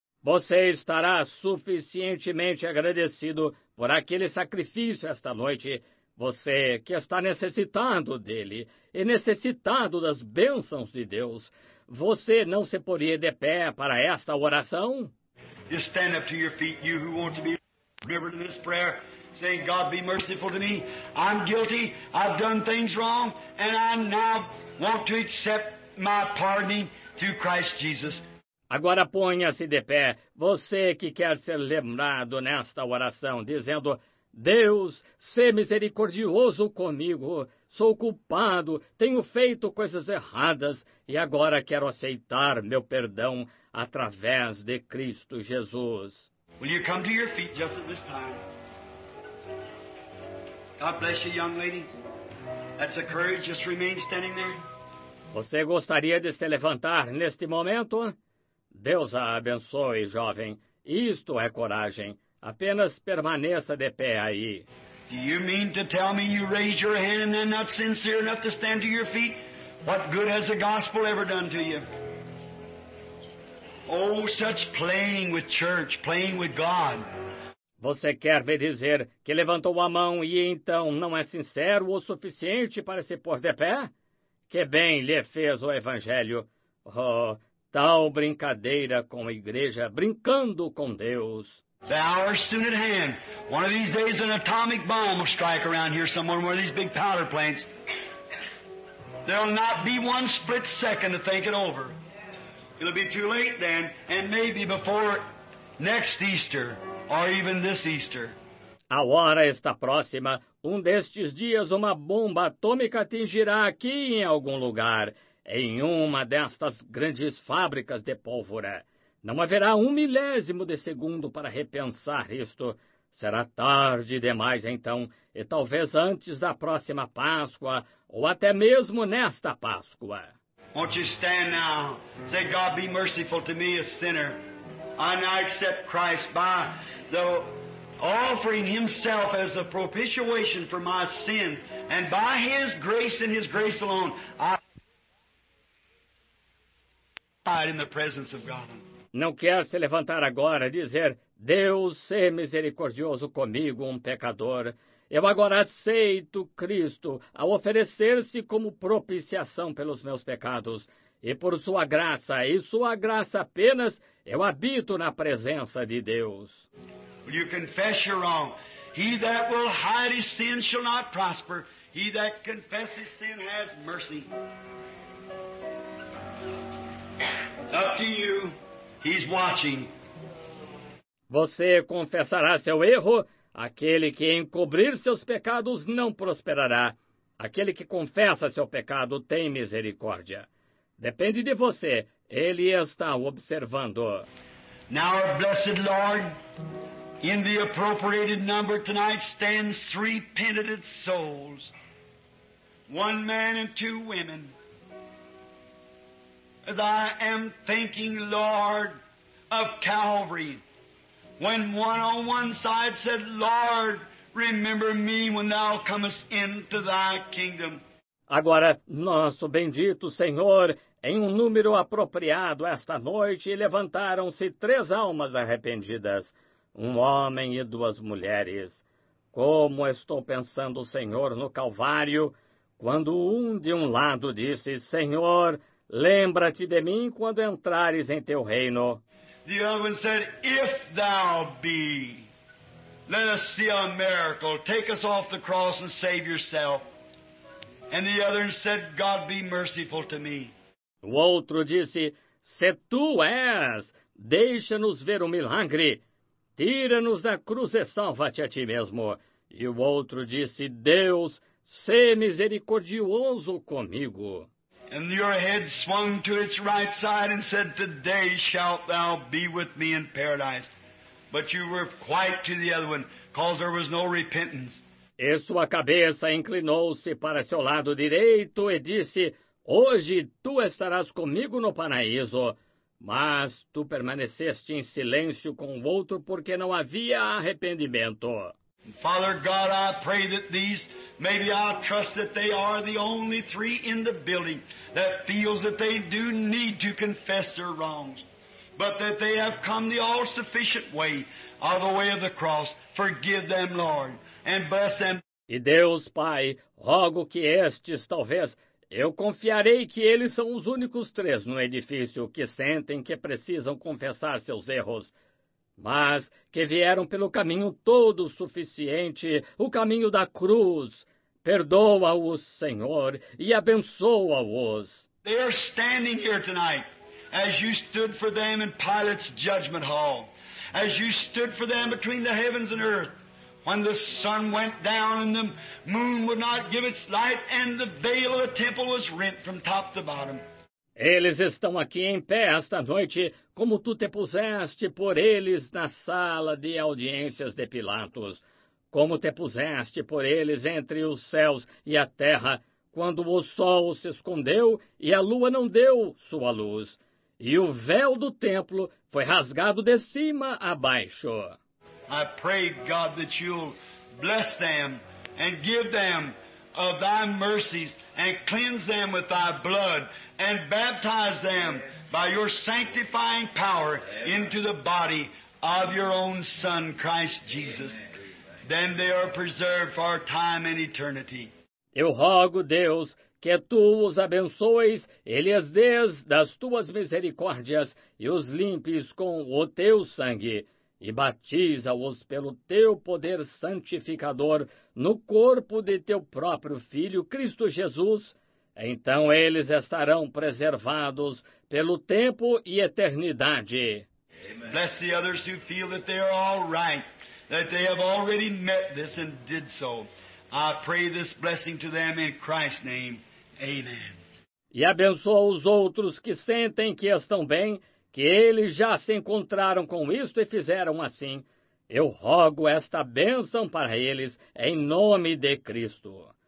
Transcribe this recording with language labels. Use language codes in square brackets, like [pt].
[pt] Você estará suficientemente agradecido por aquele sacrifício esta noite, você que está necessitado dele e necessitado das bênçãos de Deus. Você não se poria de pé para esta oração? [en] Just stand up to your feet, you who want to be delivered in this prayer. saying, God, be merciful to me. I'm guilty. I've done things wrong. And I now want to accept my pardoning through Christ Jesus. [pt] Agora ponha-se de pé, você que quer ser lembrado nesta oração, dizendo, Deus, sê misericordioso comigo, sou culpado, tenho feito coisas erradas e agora quero aceitar meu perdão através de Cristo Jesus. [en] Will you come to your feet just at this time? God bless you, young lady. That's a courage, just remain standing there. [pt] Você gostaria de se levantar neste momento? Deus a abençoe, jovem. Isto é coragem. Apenas permaneça de pé aí. [en] Do you mean to tell me you raised your hand and then not sincere enough to stand to your feet? What good has the gospel ever done to you? Oh, such playing with church, playing with God. [pt] Você quer me dizer que levantou a mão e então não é sincero o suficiente para se pôr de pé? Que bem lhe fez o Evangelho. Oh, tal brincadeira com a igreja, brincando com Deus. [en] The hour is soon at hand. One of these days an atomic bomb will strike around here somewhere, one of these big powder plants. There will not be one split second to think it over. It will be too late then, and maybe before next Easter, or even this Easter. [pt] A hora está próxima. Um destes dias uma bomba atômica atingirá aqui em algum lugar, em uma destas grandes fábricas de pólvora. Não haverá um milésimo de segundo para repensar isto. Será tarde demais, então, e talvez antes da próxima Páscoa, ou até mesmo nesta Páscoa. [en] Won't you stand now? Say, God, be merciful to me, a sinner. I now accept Christ by the offering himself as a propitiation for my sins, and by his grace and his grace alone, I hide in the presence of God. [pt] Não quer se levantar agora e dizer, Deus, sê misericordioso comigo, um pecador. Eu agora aceito Cristo ao oferecer-se como propiciação pelos meus pecados. E por sua graça, e sua graça apenas, eu habito na presença de Deus. [en] Will you confess your wrong? He that will hide his sin shall not prosper. He that confesses sin has mercy. Up to you. He's watching. [pt] Você confessará seu erro? Aquele que encobrir seus pecados não prosperará. Aquele que confessa seu pecado tem misericórdia. Depende de você. Ele está observando. [en] Now, our blessed Lord, in the appropriated number tonight stands three penitent souls. One man and two women. As I am thinking, Lord, of Calvary, when one on one side said, Lord, remember me when thou comest into thy kingdom. [pt] Agora, nosso bendito Senhor, em um número apropriado esta noite, levantaram-se três almas arrependidas, um homem e duas mulheres. Como estou pensando, Senhor, no Calvário, quando um de um lado disse, Senhor, lembra-te de mim quando entrares em teu reino. [en] The other one said, if thou be, let us see a miracle. Take us off the cross and save yourself. And the other said, God be merciful to me. [pt] O outro disse, se tu és, deixa-nos ver o milagre. Tira-nos da cruz e salva-te a ti mesmo. E o outro disse, Deus, sê misericordioso comigo. [en] And your head swung to its right side and said, today shalt thou be with me in paradise. But you were quiet to the other one, because there was no repentance. [pt] E sua cabeça inclinou-se para seu lado direito e disse, hoje tu estarás comigo no paraíso. Mas tu permaneceste em silêncio com o outro porque não havia arrependimento. [en] Father God, I pray that these, maybe I trust that they are the only three in the building that feels that they do need to confess their wrongs, but that they have come the all-sufficient way of the way of the cross. Forgive them, Lord, and bless them. [pt] E Deus, Pai, rogo que estes, talvez, eu confiarei que eles são os únicos três no edifício que sentem que precisam confessar seus erros. mas que vieram pelo caminho todo suficiente, o caminho da cruz. Perdoa-os, Senhor, e abençoa-os. [en] They are standing here tonight, as you stood for them in Pilate's judgment hall, as you stood for them between the heavens and earth, when the sun went down and the moon would not give its light, and the veil of the temple was rent from top to bottom. [pt] Eles estão aqui em pé esta noite, como tu te puseste por eles na sala de audiências de Pilatos, como te puseste por eles entre os céus e a terra, quando o sol se escondeu e a lua não deu sua luz, e o véu do templo foi rasgado de cima a baixo. [en] I pray, God, that you'll bless them and give them of thy mercies and cleanse them with thy blood and baptize them by your sanctifying power into the body of your own Son, Christ Jesus. Then they are preserved for time and eternity. [pt] Eu rogo, Deus, que tu os abençoes e lhes dês das tuas misericórdias e os limpes com o teu sangue. E batiza-os pelo teu poder santificador no corpo de teu próprio Filho, Cristo Jesus. Então eles estarão preservados pelo tempo e eternidade. [en] Bless the others who feel that they are all right, that they have already met this and did so. I pray this blessing to them in Christ's name. Amen. [pt] E abençoa os outros que sentem que estão bem, que eles já se encontraram com isto e fizeram assim. Eu rogo esta bênção para eles, em nome de Cristo.